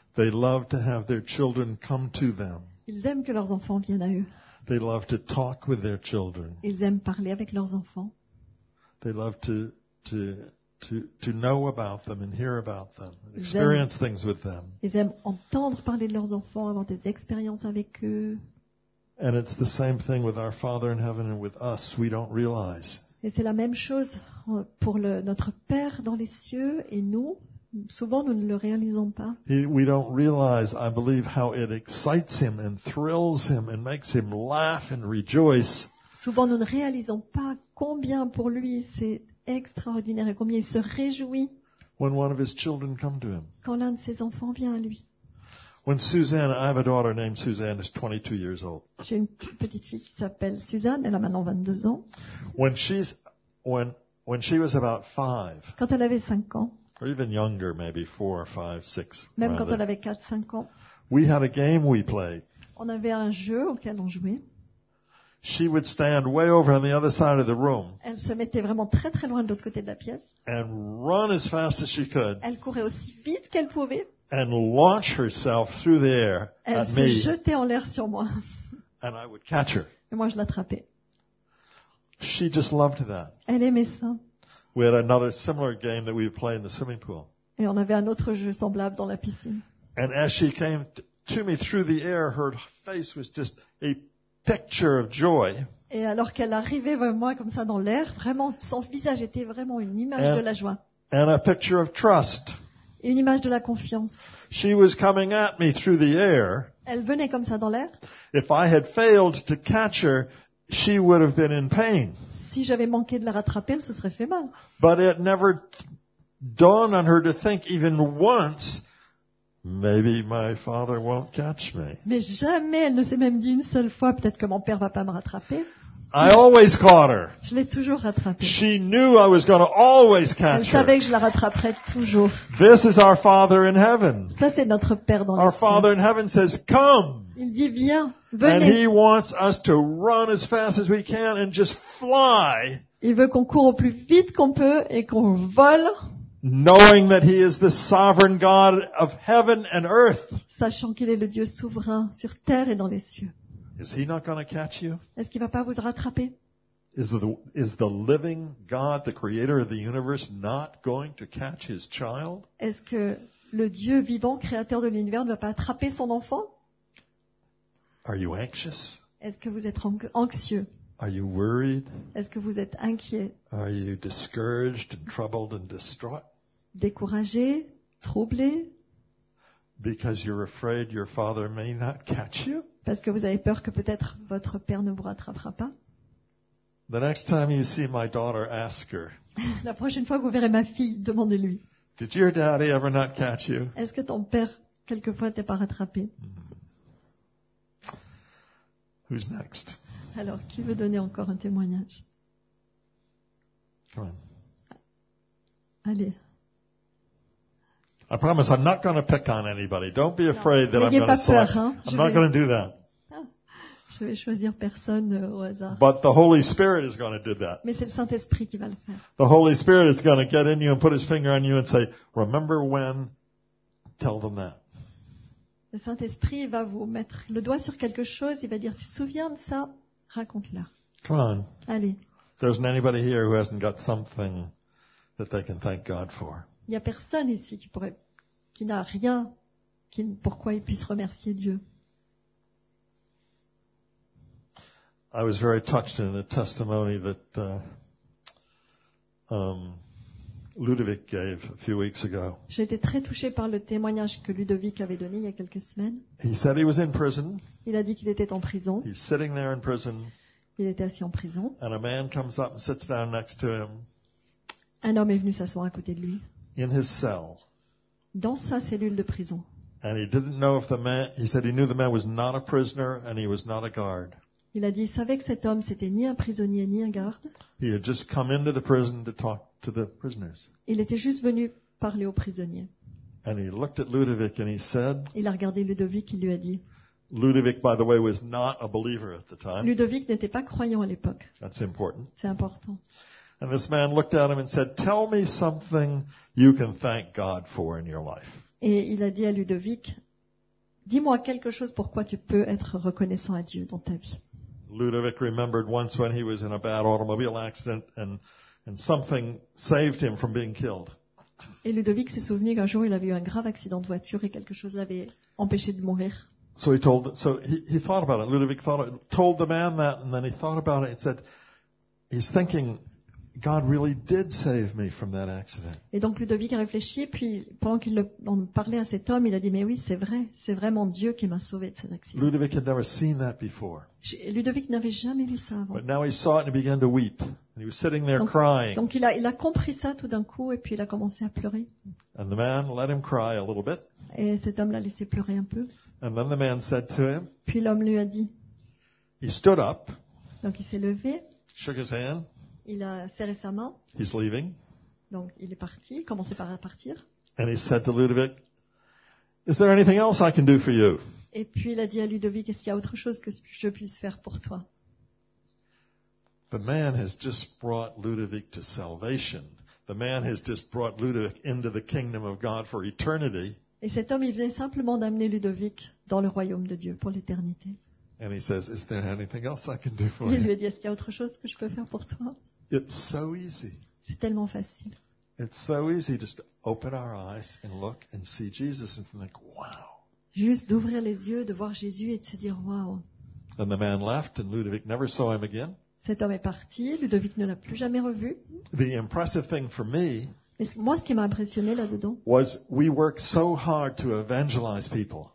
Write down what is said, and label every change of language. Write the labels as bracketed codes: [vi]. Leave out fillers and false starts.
[en] They love to have their children come to them. [fr] Ils aiment que leurs enfants viennent à eux. [en] They love to talk with their children. [fr] Ils aiment parler avec leurs enfants. [en] They love to know about them and hear about them, experience things with them. [fr] Ils aiment entendre parler de leurs enfants, avoir des expériences avec eux. [en] And it's the same thing with our Father in heaven and with us. We don't realize. [fr] Et c'est la même chose pour notre Père dans les cieux et nous. Souvent, nous ne le réalisons pas. [en] We don't realize, I believe, how it excites him and thrills him and makes him laugh and rejoice. [fr] Souvent, nous ne réalisons pas combien pour lui c'est extraordinaire et combien il se réjouit. [en] When one of his children come to him. [fr] Quand l'un de ses enfants vient à lui. [en] When Suzanne, I have a daughter named Suzanne, is 22 years old. [fr] J'ai une petite fille qui s'appelle Suzanne, elle a maintenant 22 ans. [en] When she was about 5. [fr] Quand elle avait 5 ans. [en] Or even younger, maybe 4 or 5, 6. [fr] Même [en] rather, [fr] quand elle avait 4 5 ans. [en] We had a game we played. [fr] On avait un jeu auquel on jouait. [en] She would stand way over on the other side of the room. [fr] Elle se mettait vraiment très très loin de l'autre côté de la pièce. [en] And run as fast as she could. [fr] Elle courait aussi vite qu'elle pouvait. [en] And launch herself through the air at me. [fr] Elle se jetait en l'air sur moi. [en] And I would catch her. [fr] Et moi je l'attrapais. [en] She just loved that. [fr] Elle aimait ça. [en] We had another similar game that we would play in the swimming pool. [fr] Et on avait un autre jeu semblable dans la piscine. [en] And as she came to me through the air, her face was just a picture of joy. [fr] Et alors qu'elle arrivait vers moi comme ça dans l'air, vraiment son visage était vraiment une image de la joie. [en] And a picture of trust. [fr] Une image de la confiance. [en] She was coming at me through the air. [fr] Elle venait comme ça dans l'air. [en] If I had failed to catch her, she would have been in pain. [fr] Si j'avais manqué de la rattraper, elle se serait fait mal. [en] But it never dawned on her to think even once, maybe my father won't catch me. [fr] Mais jamais elle ne s'est même dit une seule fois, peut-être que mon père va pas me rattraper. [en] I always caught her. [fr] Je l'ai toujours rattrapée. [en] She knew I was going to always catch her. [fr] Elle savait que je la rattraperais toujours. [en] This is our Father in heaven. [fr] Ça c'est notre Père dans les cieux. [en] Our Father in heaven says, "Come." [fr] Il dit viens, venez. [en] And he wants us to run as fast as we can and just fly. [fr] Il veut qu'on court au plus vite qu'on peut et qu'on vole. [en] Knowing that he is the sovereign God of heaven and earth. [fr] Sachant qu'il est le Dieu souverain sur terre et dans les cieux. [en] Is he not going to catch you? [fr] Est-ce qu'il va pas vous rattraper? [en] Is the living God, the creator of the universe, not going to catch his child? [fr] Est-ce que le Dieu vivant, créateur de l'univers, ne va pas attraper son enfant? [en] Are you anxious? [fr] Est-ce que vous êtes anxieux? [en] Are you worried? [fr] Est-ce que vous êtes inquiet? [en] Are you discouraged and troubled and distraught? [fr] Découragé, troublé? [en] Because you're afraid your father may not catch you? [fr] Parce que vous avez peur que peut-être votre père ne vous rattrapera pas. [en] The next time you see my daughter, ask her. [fr] La prochaine fois que vous verrez ma fille, demandez-lui. [en] Did your daddy ever not catch you? [fr] Est-ce que ton père quelquefois t'a pas rattrapé? [en] Who's next? [fr] Alors, qui veut donner encore un témoignage? [en] Come on. [fr] Allez. [en] I promise I'm not going to pick on anybody. Don't be afraid that I'm going to select. [fr] Peur, hein? [en] I'm not going to do that. [fr] Je vais choisir personne au hasard. [en] But the Holy Spirit is going to do that. Mais c'est le Saint-Esprit qui va le faire. The Holy Spirit is going to get in you and put his finger on you and say, "Remember when? Tell them that." [fr] Le Saint-Esprit va vous mettre le doigt sur quelque chose. Il va dire, "Tu te souviens de ça? Raconte-leur." [en] Come on. [fr] Allez. [en] There isn't anybody here who hasn't got something that they can thank God for. [fr] Il n'y a personne ici qui n'a rien pourquoi il puisse remercier Dieu. [en] I was very touched in the testimony that Ludovic gave a few weeks ago. [fr] J'ai été très touchée par le témoignage que Ludovic avait donné il y a quelques semaines. [en] He said he was in prison. [fr] Il a dit qu'il était en prison. [en] He's sitting there in prison. [fr] Il était assis en prison. [en] And a man comes up and sits down next to him. [fr] Un homme est venu s'asseoir à côté de lui. [en] In his cell. [fr] Dans sa cellule de prison. [en] And he didn't know if the man, he said he knew the man was not a prisoner and he was not a guard. [fr] Il a dit il savait que cet homme c'était ni un prisonnier ni un garde. [en] He had just come into the prison to talk to the prisoners. [fr] Il était juste venu parler aux prisonniers. [en] And he looked at Ludovic and he said, [fr] il a regardé Ludovic, il lui a dit, [en] Ludovic, by the way, was not a believer at the time. [fr] Ludovic n'était pas croyant à l'époque. [en] That's important. [fr] C'est important. [en] And this man looked at him and said, "Tell me something you can thank God for in your life." [fr] Et il a dit à Ludovic, dis-moi quelque chose pourquoi tu peux être reconnaissant à Dieu dans ta vie. [en] Ludovic remembered once when he was in a bad automobile accident and something saved him from being killed. [fr] Et Ludovic s'est souvenu qu'un jour il avait eu un grave accident de voiture et quelque chose l'avait empêché de mourir. [en] So he thought about it. Ludovic thought, told the man that, and then he thought about it and said, he's thinking, God really did save me from that accident. [fr] Et donc Ludovic a réfléchi, puis pendant qu'il parlait à cet homme, il a dit, mais oui, c'est vraiment Dieu qui m'a sauvé de cet accident. [en] Ludovic had never seen that before. [fr] Ludovic n'avait jamais vu ça avant. [en] But now he saw it and he began to weep. And he was sitting there crying. [fr] Donc il a compris ça tout d'un coup et puis il a commencé à pleurer. [en] And the man let him cry a little bit. [fr] Et cet homme l'a laissé pleurer un peu. [en] And then the man said to him. [fr] Puis l'homme lui a dit. [en] He stood up. [fr] Donc il s'est levé. [en] Shook his hand. [fr] Il a serré sa main. [en] He's leaving. [fr] Donc il est parti, il commençait par partir. [en] And he said to Ludovic, "Is there anything else I can do for you?" [fr] Et puis il a dit à Ludovic, est-ce qu'il y a autre chose que je puisse faire pour toi? [en] The man has just brought Ludovic to salvation. The man has just brought Ludovic into the kingdom of God for eternity. [fr] Et cet homme, il venait simplement d'amener Ludovic dans le royaume de Dieu pour l'éternité. [en] And he says, "Is there anything else I can do for you?" [fr] Il lui dit, est-ce qu'il y a autre chose que je peux faire pour toi? [en] It's so easy. [fr] C'est tellement facile. [en] It's so easy just to open our eyes and look and see Jesus and think, "Wow." [fr] Juste d'ouvrir les yeux, de voir Jésus et de se dire, "Wow." [en] And the man left, and Ludovic never saw him again. [fr] Cet homme est parti. Ludovic ne l'a plus jamais revu. [en] The impressive thing for me. [fr] Moi, ce qui m'a impressionné là-dedans, [en] was we work so hard to evangelize people.